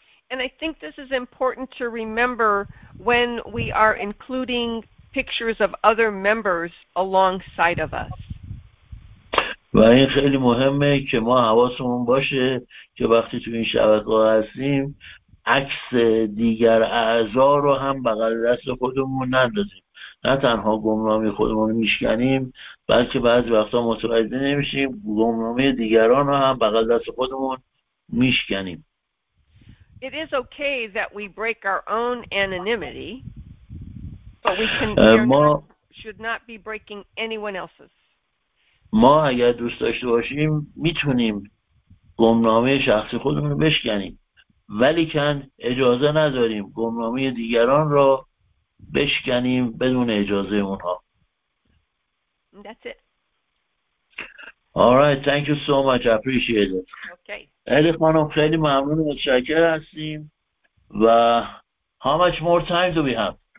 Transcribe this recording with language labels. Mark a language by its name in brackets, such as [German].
[English] And I think this is important to remember when we are including pictures of other members alongside of us. [Persian] و این خیلی مهمه که ما حواسمون باشه که وقتی تو این شبکه هستیم عکس دیگر اعضا رو هم بغل دست خودمون نندازیم. نه تنها گمنامی خودمون رو میشکنیم، بلکه بعضی وقتا متوجه نمیشیم گمنامی دیگران رو هم بغل دست خودمون میشکنیم. [English] It is okay that we break our own anonymity, but we should not be breaking anyone else's. [Persian] ما اگر دوست داشته باشیم میتونیم گمنامی شخصی خودمون رو بشکنیم، ولی کن اجازه نداریم گمنامی دیگران را بشکنیم بدون اجازه اونها. [English] That's it. Alright, thank you so much. I appreciate it. Okay. [Persian] الیف خانم خیلی ممنون و متشکر هستیم. و [English] how much more time do we have?